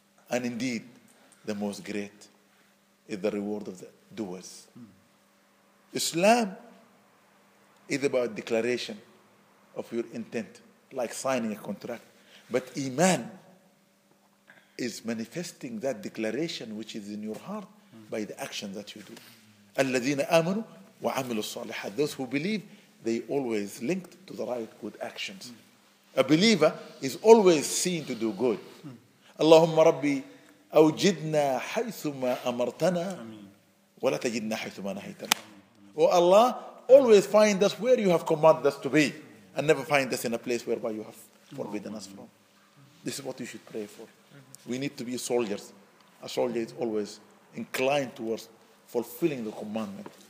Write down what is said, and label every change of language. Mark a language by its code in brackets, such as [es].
[en] And indeed, the most great is the reward of the doers. Islam is about declaration of your intent, like signing a contract. But Iman is manifesting that declaration which is in your heart by the action that you do. [ar] الذين آمنوا وَعَمِلُوا الصَّالِحَاتِ. [en] Those who believe, they always linked to the right good actions. A believer is always seen to do good. [ar] اللهم ربي أوجدنا حيثما أمرتنا ولا تجدنا حيثما نهيتنا. [en] Oh Allah, always find us where you have commanded us to be and never find us in a place whereby you have forbidden us from. This is what you should pray for. We need to be soldiers. A soldier is always inclined towards fulfilling the commandment.